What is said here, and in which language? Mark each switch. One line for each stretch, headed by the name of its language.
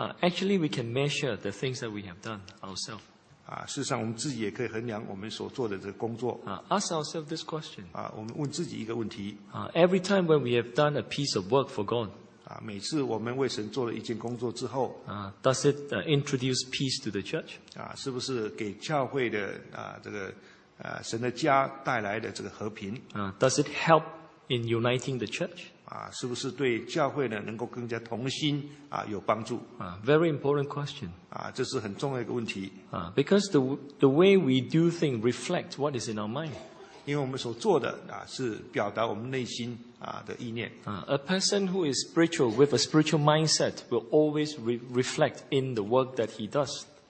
English: Actually, we can measure the things that we have done ourselves.
Chinese: 事实上，我们自己也可以衡量我们所做的这个工作。
English: Ask ourselves this question.
Chinese: 我们问自己一个问题。
English: Every time when we have done a piece of work for God.
Chinese: 每次我们为神做了一件工作之后。
English: Does it introduce peace to the church?
Chinese: 是不是给教会的神的家带来的这个和平？
English: Does it help in uniting the church?
Chinese: 是不是对教会呢能够更加同心有帮助？
English: Very important question.
Chinese: 这是很重要一个问题。
English: Because the way we do things reflect what is in our mind.
Chinese: 因为我们所做的是表达我们内心的意念。
English: A person who is spiritual with a spiritual mindset will always reflect in the work that he does.